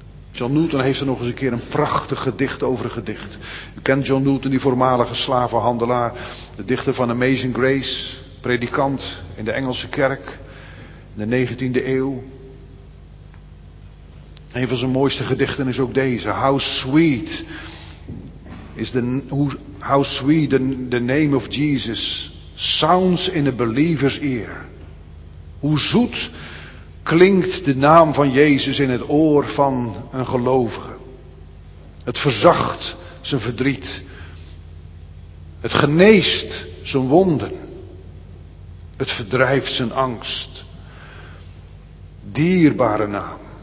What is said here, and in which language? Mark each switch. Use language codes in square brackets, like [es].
[nl] John Newton heeft er nog eens een keer een prachtig gedicht over gedicht. U kent John Newton, die voormalige slavenhandelaar, de dichter van Amazing Grace, predikant in de Engelse kerk in de 19e eeuw. Een van zijn mooiste gedichten is ook deze. [en] How sweet is the, how sweet the name of Jesus sounds in a believer's ear. [nl] Hoe zoet klinkt de naam van Jezus in het oor van een gelovige. Het verzacht zijn verdriet. Het geneest zijn wonden. Het verdrijft zijn angst. Dierbare naam.